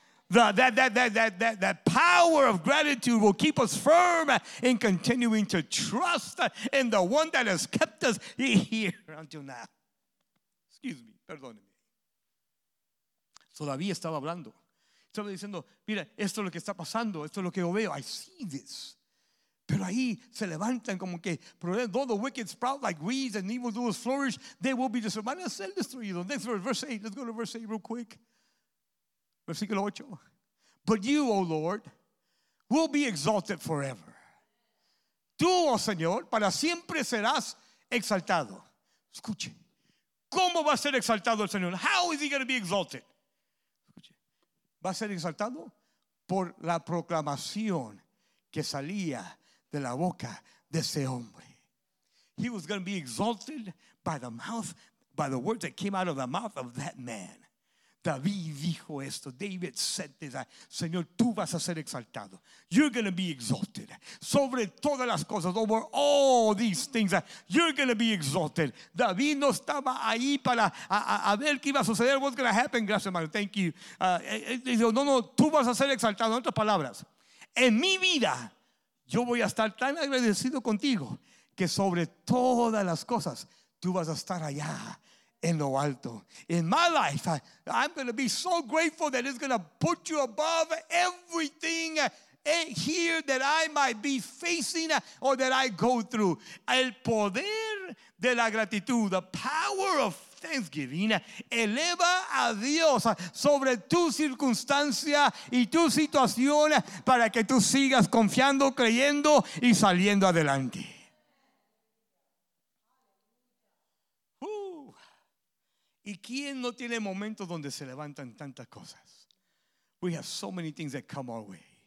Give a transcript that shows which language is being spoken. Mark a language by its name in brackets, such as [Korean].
[English] That power of gratitude will keep us firm in continuing to trust in the one that has kept us here until now. Excuse me, [Spanish] perdóneme. Todavía estaba hablando. Estaba diciendo, mira, esto es lo que está pasando. Esto es lo que yo veo. [English] I see this. [Spanish] Pero ahí se levantan como que, [English] though the wicked sprout like weeds and evil doers flourish, they will be destroyed. [Spanish] Van a ser destruidos. [English] Next verse, verse 8. Let's go to verse 8 real quick. [Spanish] Versículo 8. [English] But you, O Lord, will be exalted forever. [Spanish] Tú, oh Señor, para siempre serás exaltado. Escuche. ¿Cómo va a ser exaltado el Señor? [English] How is he going to be exalted? [Spanish] Va a ser exaltado por la proclamación que salía de la boca de ese hombre. [English] He was going to be exalted by the mouth, by the words that came out of the mouth of that man. [Spanish] David dijo esto. [English] David said this. [Spanish] Señor, tú vas a ser exaltado. [English] You're going to be exalted. [Spanish] Sobre todas las cosas, [English] over all these things, you're going to be exalted. [Spanish] David no estaba ahí para a ver qué iba a suceder. [English] What's going to happen? [Spanish] Gracias, hermano. [English] Thank you. [Spanish] No, tú vas a ser exaltado. En otras palabras, en mi vida, yo voy a estar tan agradecido contigo que sobre todas las cosas, tú vas a estar allá. En lo alto. [English] In my life, I'm going to be so grateful that it's going to put you above everything here that I might be facing or that I go through. [Spanish] El poder de la gratitud, [English] the power of thanksgiving, [Spanish] eleva a Dios sobre tu circunstancia y tu situación para que tú sigas confiando, creyendo y saliendo adelante. ¿Y quién no tiene momentos donde se levantan tantas cosas? [English] We have so many things that come our way.